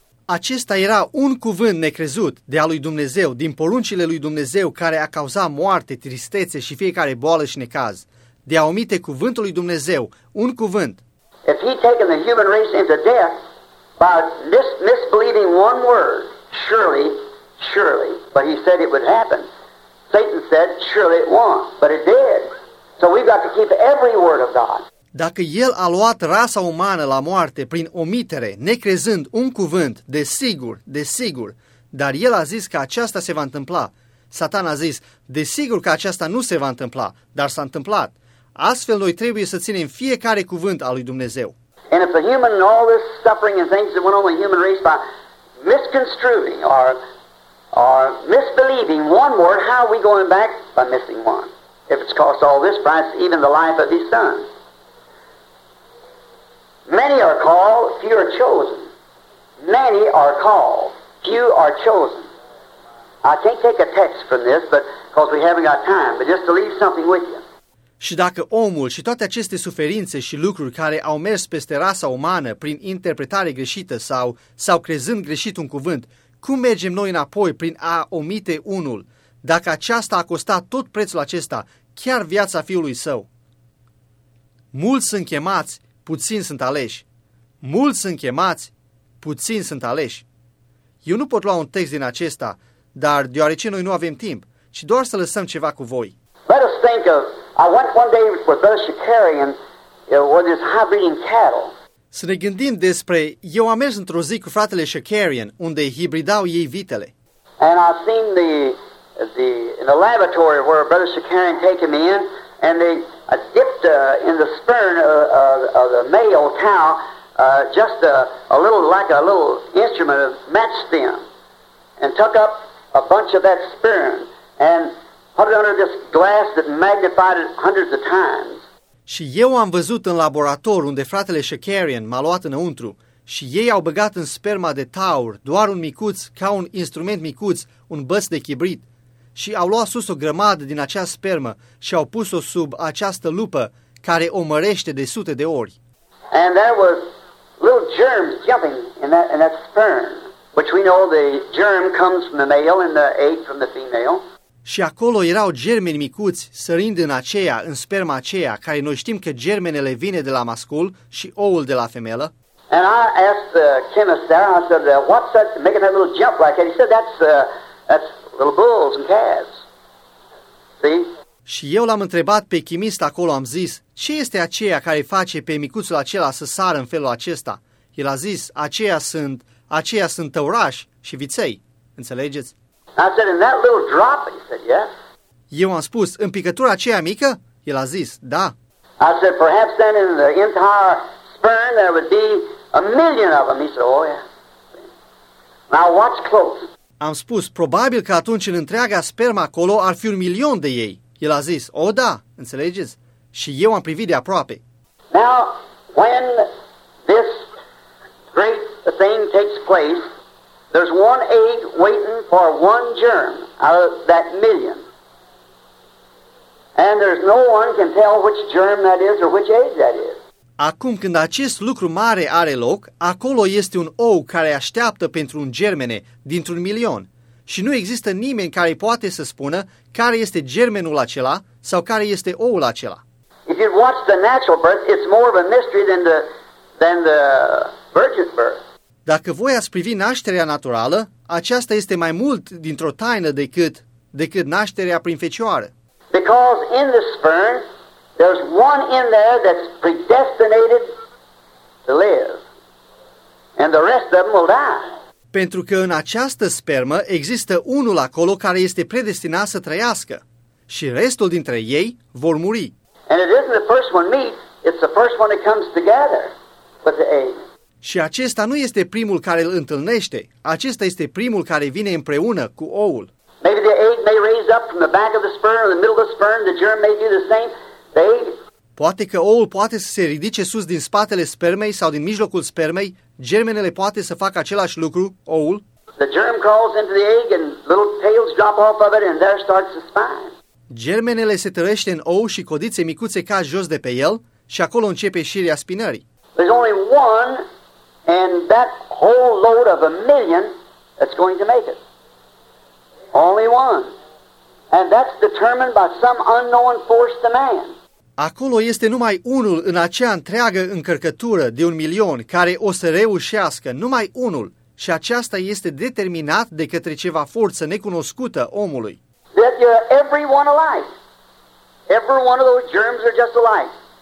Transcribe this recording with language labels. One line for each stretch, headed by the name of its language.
Romanian: Acesta era un cuvânt necrezut de a lui Dumnezeu, din poruncile lui Dumnezeu care a cauzat moarte, tristețe și fiecare boală și necaz. De a omite cuvântul lui Dumnezeu, un cuvânt.
English: If he'd taken the human race into death by misbelieving one word, surely, surely, but he said it would happen. Satan said, surely it won't, but it did. So we've got to keep every word of God.
Romanian: Dacă el a luat rasa umană la moarte prin omitere, necrezând un cuvânt, desigur, desigur, dar el a zis că aceasta se va întâmpla. Satan a zis, desigur că aceasta nu se va întâmpla, dar s-a întâmplat. Astfel noi trebuie să ținem fiecare cuvânt al lui Dumnezeu.
English: And if the human, all this suffering and things that went on the human race by misconstruing or misbelieving one word, how are we going back by missing one? If it's cost all this price, even the life of his son. Many are called, few are chosen. Many are called, few are chosen. I can't take a text from this, but because we haven't got time, but just to leave something with you.
Romanian: Și dacă omul și toate aceste suferințe și lucruri care au mers peste rasa umană prin interpretare greșită sau crezând greșit un cuvânt, cum mergem noi înapoi prin a omite unul? Dacă aceasta a costat tot prețul acesta, chiar viața fiului său. Mulți sunt chemați, puțini sunt aleși. Mulți sunt chemați, puțini sunt aleși. Eu nu pot lua un text din acesta, dar deoarece noi nu avem timp, ci doar să lăsăm ceva cu voi.
English: Let us think of, I went one day with Brother Shikari and with his hybriding cattle.
Romanian: Să ne gândim despre, eu am mers într-o zi cu fratele Shakarian, unde hibridau ei vitele.
English: And I've seen the in the laboratory where Brother Shikari taken me in, and they dipped in the stern of the male cow just a little, like a little instrument of match stem, and took up a bunch of that sperm and put it under this glass that magnified it hundreds of times.
Romanian: Și eu am văzut în laborator unde fratele Shakarian m-a luat înăuntru și ei au băgat în sperma de taur doar un micuț, ca un instrument micuț, un băț de chibrit, și au luat sus o grămadă din acea spermă și au pus-o sub această lupă care o mărește de sute de ori.
English: And there was little germs jumping in that sperm, which we know the germ comes from the male and the egg from the female.
Romanian: Și acolo erau germeni micuți sărind în aceea, în sperma aceea, care noi știm că germenele vine de la mascul și oul de la femelă.
English: And I asked the chemist there, I said, what's that making that little jump like that? He said, that's little bulls and calves. See?
Romanian: Și eu l-am întrebat pe chimist acolo, am zis, ce este aceea care face pe micuțul acela să sară în felul acesta? El a zis, aceia sunt tăurași și viței. Înțelegeți?
English: I said, in that little drop? He said, yes.
Romanian: Eu am spus, în picătura aceea mică? El a zis, da.
English: I said, perhaps then in the entire sperm there would be a million of them. He said, oh yeah. Now watch close.
Romanian: Am spus, probabil că atunci în întreaga sperma acolo ar fi un milion de ei. El a zis, oh da, înțelegeți? Și eu am privit de aproape.
English: Now, when this great thing takes place, there's one egg waiting for one germ out of that million. And there's no one can tell which germ that is or which egg that is.
Romanian: Acum când acest lucru mare are loc, acolo este un ou care așteaptă pentru un germene dintr-un milion. Și nu există nimeni care poate să spună care este germenul acela sau care este oul acela.
English: If you watch the natural birth, it's more of a mystery than the virgin birth.
Romanian: Dacă voi ați privi nașterea naturală, aceasta este mai mult dintr-o taină decât nașterea prin fecioară.
English: Because in the sperm there's one in there that's predestinated to live, and the rest of them will die.
Romanian: Pentru că în această spermă există unul acolo care este predestinat să trăiască și restul dintre ei vor muri.
English: And it isn't the first one meets, it's the first one that comes together with the egg.
Romanian: Și acesta nu este primul care îl întâlnește, acesta este primul care vine împreună cu oul.
English: Maybe the egg may raise up from the back of the sperm or the middle of the sperm, the germ may do the same.
Romanian: Poate că oul poate să se ridice sus din spatele spermei sau din mijlocul spermei, germenele poate să facă același lucru, oul.
English: The germ crawls into the egg and little tails drop off of it and there starts the spine.
Romanian: Germenele se tărește în ou și codițe micuțe cad jos de pe el și acolo începe șirea spinării.
English: There's only one and that whole load of a million that's going to make it. Only one. And that's determined by some unknown force to man.
Romanian: Acolo este numai unul în acea întreagă încărcătură de un milion care o să reușească, numai unul. Și aceasta este determinat de către ceva forță necunoscută omului.
English: That you're everyone alike. Every one of those germs are just alike.